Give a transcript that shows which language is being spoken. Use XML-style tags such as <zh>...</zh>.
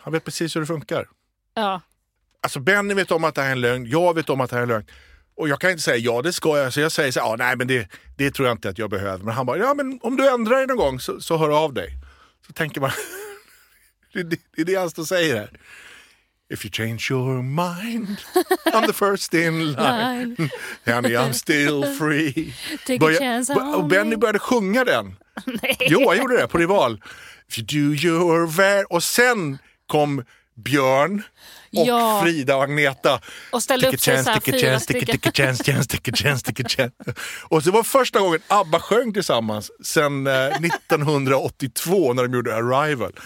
<sv>Han vet precis hur det funkar. Ja. Alltså, Benny vet om att det här är en lögn. Jag vet om att det här är en lögn. Och jag kan inte säga, ja det ska jag. Så jag säger så här, ja nej men det tror jag inte att jag behöver. Men han bara, ja men om du ändrar dig någon gång så hör av dig. Så tänker man, det är det han står och säger här.</sv> <en>If you change your mind, I'm the first in line. Honey, I'm still free. Take a chance on me.</en> <sv>Och Benny började sjunga den. Nej. Jo, jag gjorde det på Rival.</sv> <en>If you do your very.</en> <sv>Och sen kom Björn och Frida och Agneta. Och ställde upp Ticket chance. Och det var första gången Abba sjöng tillsammans sedan 1982 när de gjorde Arrival.</sv>